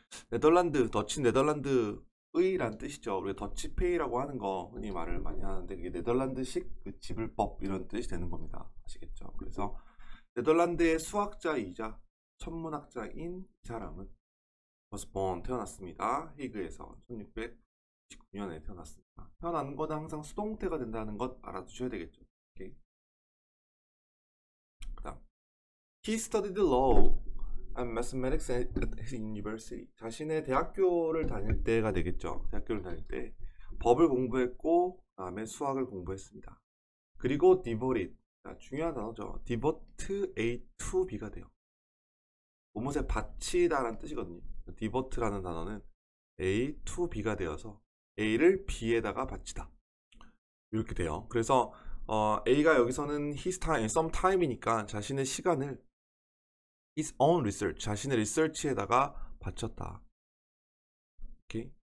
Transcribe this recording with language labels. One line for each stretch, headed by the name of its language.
Korean: 네덜란드, 더치 네덜란드의란 뜻이죠. 우리 더치페이라고 하는 거 흔히 말을 많이 하는데, 그게 네덜란드식 그 지불법 이런 뜻이 되는 겁니다. 아시겠죠? 그래서 네덜란드의 수학자이자 천문학자인 이 사람은 버스본 태어났습니다. 히그에서 1600 19년에 태어났습니다. 태어나는 거는 항상 수동태가 된다는 것 알아두셔야 되겠죠. 오케이. 그다음,
English: He studied law and mathematics at his university.
Korean: 자신의 대학교를 다닐 때가 되겠죠. 대학교를 다닐 때 법을 공부했고 그다음에 수학을 공부했습니다. 그리고 devoted. 중요한 단어죠. devote a to be가 돼요. 봄옷에 바치다라는 뜻이거든요. devote라는 단어는 a to be가 되어서 A를 B에다가 받치다 이렇게 돼요. 그래서 A가 여기서는 his time, some time이니까 자신의 시간을 his own research, 자신의 리서치에다가 바쳤다. 오케이.